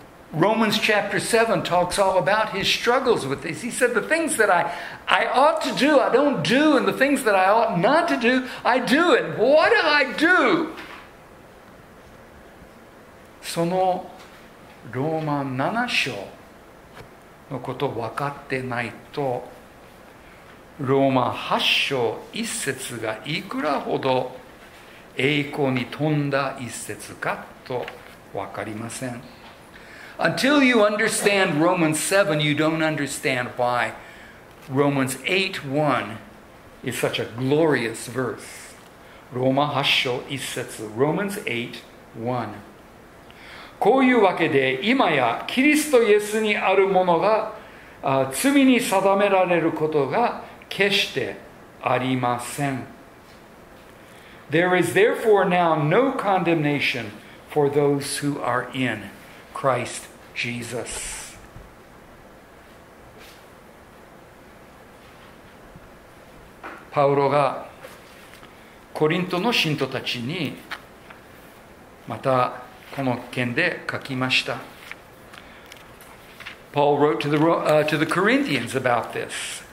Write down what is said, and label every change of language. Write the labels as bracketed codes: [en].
[en] Romans chapter 7 talks all about his struggles with this. He said, the things that I ought to do, I don't do, and the things that I ought not to do, I do. And what do I do? [ja] そのローマ7章のことを分かってないとローマ8章一節がいくらほど栄光に富んだ一節かと分かりません。 [en] Until you understand Romans 7, you don't understand why Romans 8:1 is such a glorious verse. [ja] ローマ8章一節、Romans 8:1。こういうわけで、今やキリストイエスにあるものが罪に定められることが決してありません。 [en] There is therefore now no condemnation for those who are in Christ Jesus. [ja] パウロがコリントの信徒たちにまたこの件で書きました。 [en] Paul wrote to the Corinthians about this.